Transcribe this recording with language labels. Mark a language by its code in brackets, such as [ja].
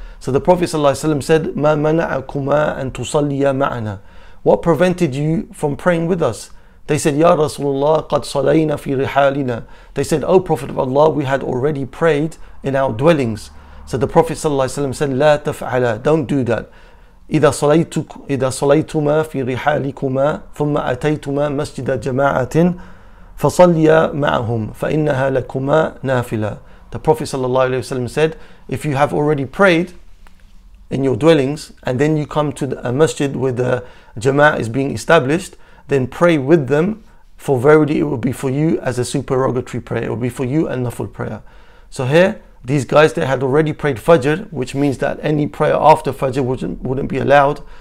[en] So the Prophet sallallahu alaihi wasallam said, [ar] ma mana'akuma an tusalliya ma'ana, [en] what prevented you from praying with us? They said, [ar] ya Rasulullah, qad salayna fi rihalina. [en] They said, oh Prophet of Allah, we had already prayed in our dwellings. So the Prophet sallallahu alaihi wasallam said, [ar] la taf'ala, [en] don't do that. [ar] إذا صليتما في رحالكما ثم أتيتما مسجد جماعة فصليا معهم فإنها لكما نافلة. [en] The Prophet ﷺ said, if you have already prayed in your dwellings and then you come to a masjid where the jama'ah is being established, then pray with them, for verily it will be for you as a supererogatory prayer. It will be for you a nafl prayer. So here, these guys, they had already prayed Fajr, which means that any prayer after Fajr wouldn't be allowed.